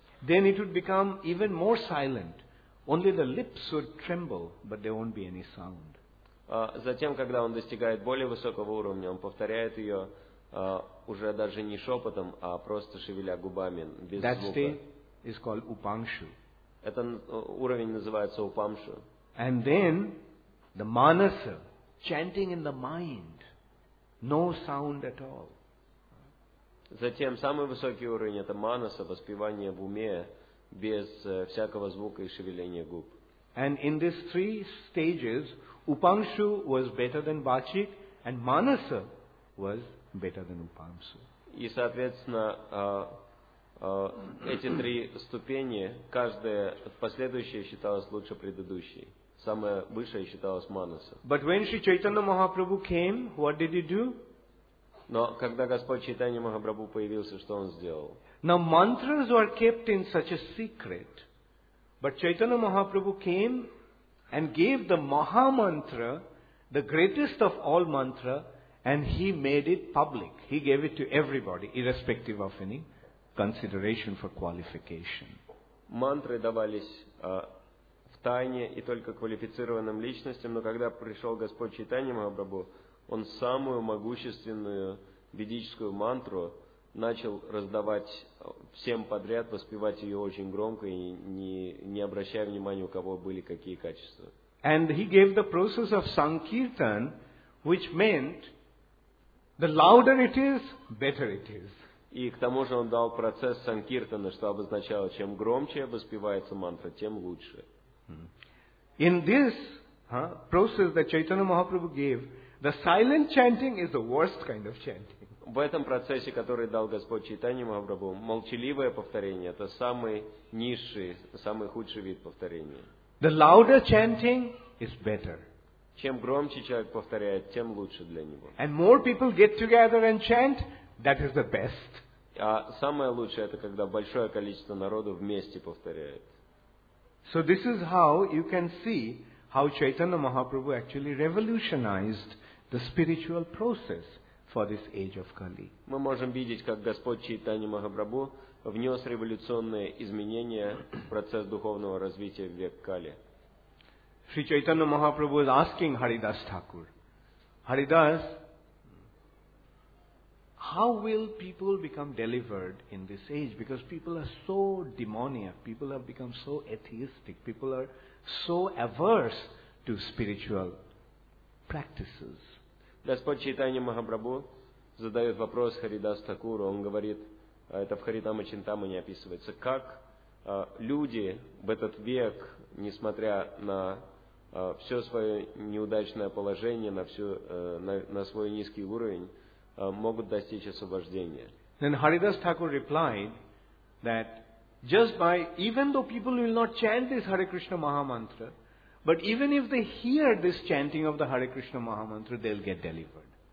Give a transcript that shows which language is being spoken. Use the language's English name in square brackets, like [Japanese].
[English] Then it would become even more silent. Only the lips would tremble, but there won't be any sound. [Russian] Затем, когда он достигает более высокого уровня, он повторяет ее уже даже не шепотом, а просто шевеля губами, без [English] that [Russian] звука. [English] State is called upangshu. [Russian] Этот уровень называется упамшу. [English] And then the manasa, chanting in the mind, no sound at all. [Russian] Затем самый высокий уровень – это манаса, воспевание в уме, без всякого звука и шевеления губ. [English] And in these three stages, upangshu was better than vachik, and manasa was better than upangshu. [Russian] И, соответственно, эти три ступени, каждая последующая считалась лучше предыдущей. Самая высшая считалась манаса. [English] But when Sri Chaitanya Mahaprabhu came, what did he do? [Russian] Но когда Господь Чайтанья Махапрабху появился, что он сделал? [English] Now mantras were kept in such a secret, but Chaitanya Mahaprabhu came and gave the Maha Mantra, the greatest of all mantra, and he made it public. He gave it to everybody, irrespective of any consideration for qualification. [Russian] Мантры давались в тайне и только квалифицированным личностям, но когда пришел Господь Чайтанья Махапрабху, он самую могущественную ведическую мантру начал раздавать всем подряд, воспевать ее очень громко и не обращая внимания, у кого были какие качества. [English] And he gave the process of sankirtan, which meant the louder it is, better it is. [Russian] И к тому же он дал процесс санкиртана, что обозначало, чем громче воспевается мантра, тем лучше. [English] In this process that Chaitanya Mahaprabhu gave, the silent chanting is the worst kind of chanting. [Russian] В этом процессе, который дал Господь Чайтанья Махапрабху, молчаливое повторение это самый низший, самый худший вид повторения. [English] The louder chanting is better. [Russian] Чем громче человек повторяет, тем лучше для него. [English] And more people get together and chant, that is the best. [Russian] А самое лучшее это когда большое количество народу вместе повторяет. [English] So this is how you can see how Chaitanya Mahaprabhu actually revolutionized the spiritual process for this age of Kali. [Russian] Мы можем видеть, как Господь Чайтанья Махапрабху внес революционные изменения в процесс духовного развития в век Кали. [English] Sri Chaitanya Mahaprabhu is asking Haridas Thakur, Haridas, how will people become delivered in this age? Because people are so demoniac, people have become so atheistic, people are so averse to spiritual practices. [Russian] Господь Чайтанья Махапрабху задает вопрос Харидас Такуру. Он говорит, это в Харитама Чинтама не описывается, как люди в этот век, несмотря на все свое неудачное положение, на свой низкий уровень, могут достичь освобождения. [English] Then Haridas Thakur replied that just by, even though people will not chant this Hare Krishna Maha Mantra, but even if they hear this chanting of the Hare Krishna Maha Mantra, they'll get delivered.